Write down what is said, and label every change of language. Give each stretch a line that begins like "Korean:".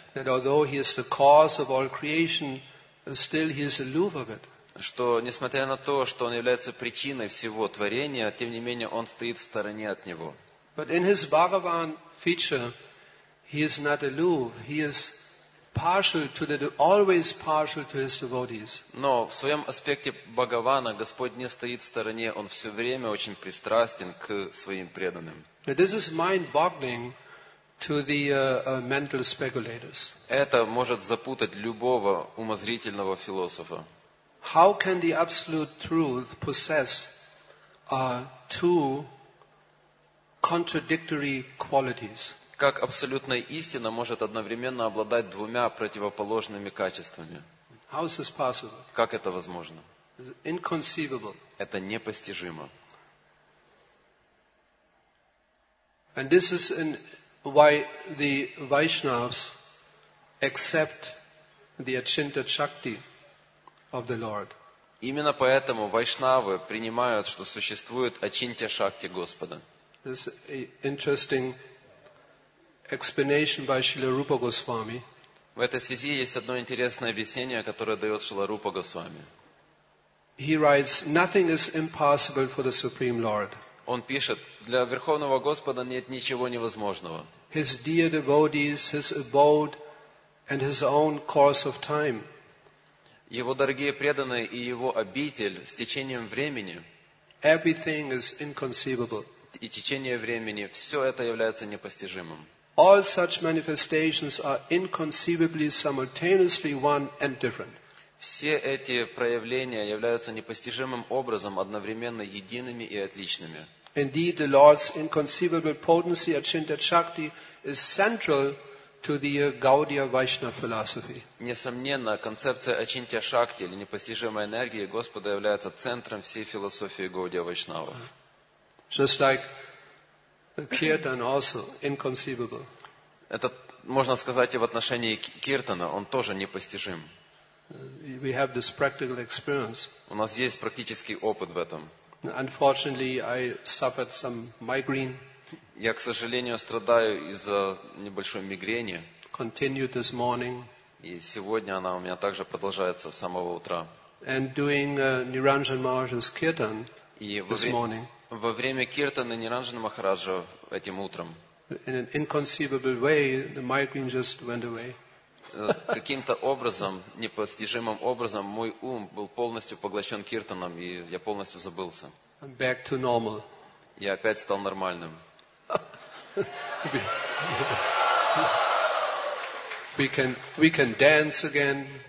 English: that although he is the cause of all creation, still he is aloof of it.
Russian: Что несмотря на то, что он является причиной всего творения, тем не менее он стоит в стороне от него.
English: But in his Bhagavan feature, he is not aloof. He is partial to the always partial to his devotees.
Russian: Но в своем аспекте Бхагавана Господь не стоит в стороне. Он все время очень пристрастен к своим преданным.
English: Now this is mind-boggling to the mental speculators.
Russian: Это может запутать любого умозрительного философа.
English: How can the absolute truth possess two contradictory qualities?
Russian: Как абсолютная истина может одновременно обладать двумя противоположными качествами?
English: How is this possible?
Russian: Как это возможно?
English: Inconceivable.
Russian: Это непостижимо.
English: And this is in why the Vaishnavas accept the Achinta Shakti of the Lord.
Russian: Именно поэтому вайшнавы принимают, что существует Ачинтья Шакти Господа.
English: This is an interesting explanation by Śrīla Rūpa Gosvāmī.
Russian: В этой связи есть одно интересное объяснение, которое дает Śrīla Rūpa Gosvāmī.
English: He writes, "Nothing is impossible for the Supreme Lord."
Russian: Он пишет, для Верховного Господа нет ничего невозможного.
English: His dear devotees, his abode, and his own course of time.
Russian: Его дорогие преданные и его обитель с течением времени.
English: Everything is inconceivable.
Russian: И течение времени, все это является непостижимым.
English: All such manifestations are inconceivably simultaneously one and different.
Russian: Все эти проявления являются непостижимым образом, одновременно едиными и отличными.
English: Indeed, the Lord's inconceivable potency, Achinta Shakti, is central to the Gaudiya Vaishnava philosophy.
Russian: Несомненно, концепция Ачинтья Шакти или непостижимой энергии Господа является центром всей философии Гаудия Вайшнава.
English: Just like the Kirtan also inconceivable.
Russian: Это можно сказать и в отношении Киртана, он тоже непостижим.
English: We have this practical experience.
Russian: У нас есть практический опыт в этом.
English: Unfortunately, I suffered some migraine.
Russian: Я, к сожалению, страдаю из-за небольшой мигрени.
English: Continued this morning.
Russian: И сегодня она у меня также продолжается с самого утра.
English: And doing Niranjan Maharaj's kirtan this morning.
Russian: Во время киртана Ниранджан Махараджа этим утром.
English: In an inconceivable way, the migraine just went away.
Russian: Каким-то образом, непостижимым образом, мой ум был полностью поглощен киртаном, и я полностью забылся.
English: I'm back to normal.
Russian: Я опять стал нормальным.
English: We can dance again.